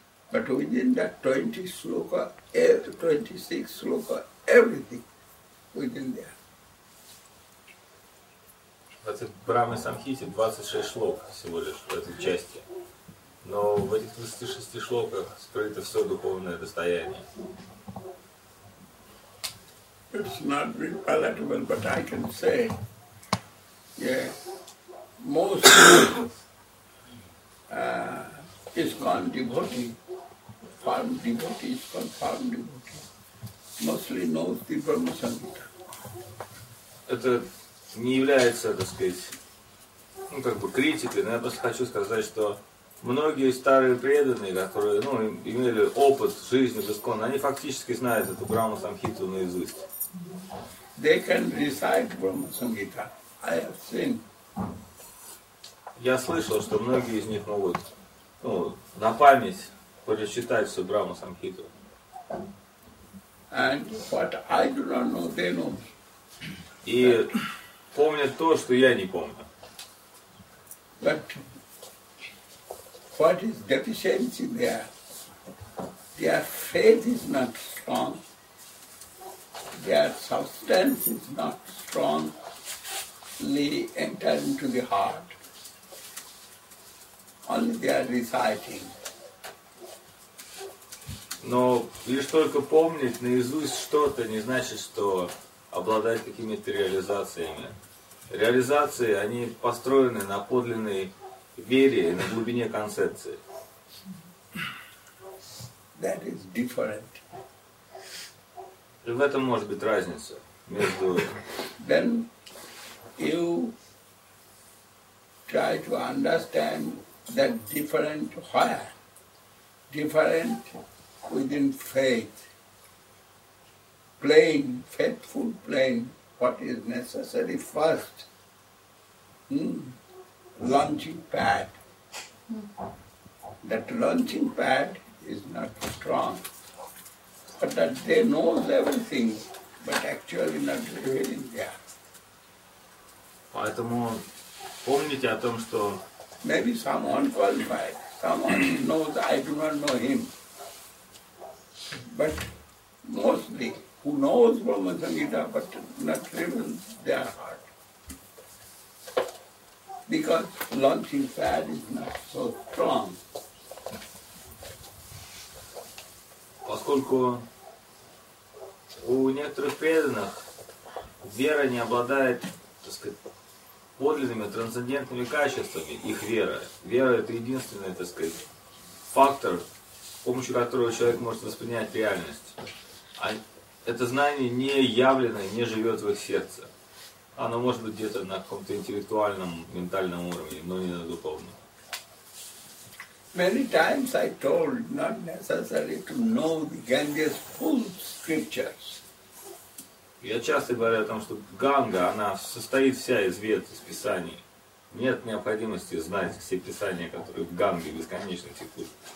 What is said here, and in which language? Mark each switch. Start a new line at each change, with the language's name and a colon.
English: But within that 20 sloka, 26 sloka, everything within there.
Russian: В этой Брахма Самхите 26 шлок всего лишь в этой части. Но в этих 26 шлоках скрыто все духовное достояние.
English: It's not very palatable, but I can say, yeah, most ISKCON devotee, farm devotee, ISKCON farm devotee, mostly knows the Brahma Samhita.
Russian: Это не является, так сказать, ну, как бы критикой, но я просто хочу сказать, что многие старые преданные, которые, ну, имели опыт жизни в ISKCON, они фактически знают эту Брахма Самхиту наизусть.
English: They can recite Brahma Sangita. I have seen.
Russian: Я слышал, что многие из них могут, ну, на память прочитать всю Брахма Самхиту.
English: And what I do not know, they know.
Russian: И помнят то, что я не помню.
English: But what is deficiency there? Their faith is not strong. Their substance is not strongly entered into the heart. Only they are reciting.
Russian: Но лишь только помнить наизусть что-то не значит, что обладает какими-то реализациями. Реализации, они построены на подлинной вере и на глубине концепции.
English: That is different.
Russian: И в этом может быть разница между...
English: Then you try to understand that different where? Different within faith. Plain, faithful plain, what is necessary first. Launching pad. That launching pad is not strong. But that they know everything, but actually not living there.
Russian: Поэтому помните о том, что...
English: Maybe someone qualified, someone knows, I do not know him. But mostly, who knows Brahma Sangita, but not living their heart. Because launching pad is not so strong.
Russian: Поскольку у некоторых преданных вера не обладает, так сказать, подлинными трансцендентными качествами, их вера. Вера – это единственный, так сказать, фактор, с помощью которого человек может воспринять реальность. А это знание не явленное, не живет в их сердце. Оно может быть где-то на каком-то интеллектуальном, ментальном уровне, но не на духовном.
English: Many times I told not necessary to know the Ganges full scriptures.
Russian: Я часто говорю о том, что Ганга, она состоит вся из Вед, из Писаний. Нет необходимости знать все Писания, которые в Ганге бесконечно текут.